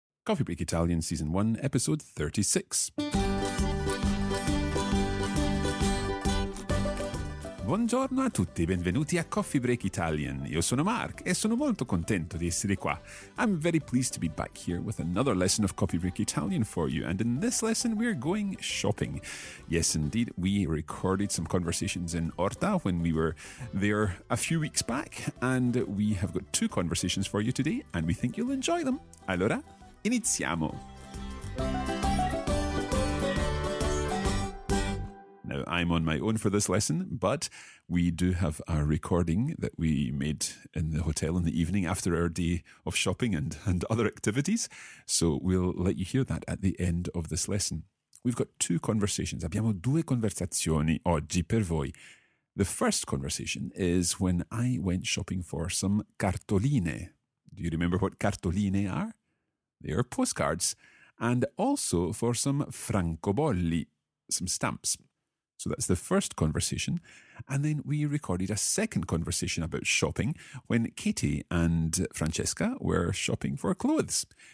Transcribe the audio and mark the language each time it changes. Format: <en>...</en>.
<en>Coffee Break Italian Season 1, Episode 36.</en> <it>Buongiorno a tutti, benvenuti a Coffee Break Italian. Io sono Mark e sono molto contento di essere qua.</it> <en>I'm very pleased to be back here with another lesson of Coffee Break Italian for you. And in this lesson, we are going shopping. Yes, indeed, we recorded some conversations in Orta when we were there a few weeks back. And we have got two conversations for you today, and we think you'll enjoy them.</en> <it>Allora, iniziamo!</it> <en>Now, I'm on my own for this lesson, but we do have a recording that we made in the hotel in the evening after our day of shopping and other activities. So we'll let you hear that at the end of this lesson. We've got two conversations.</en> <it>Abbiamo due conversazioni oggi per voi.</it> <en>The first conversation is when I went shopping for some cartoline. Do you remember what cartoline are? They are postcards. And also for some francobolli, some stamps. So that's the first conversation. And then we recorded a second conversation about shopping when Katie and Francesca were shopping for clothes.</en>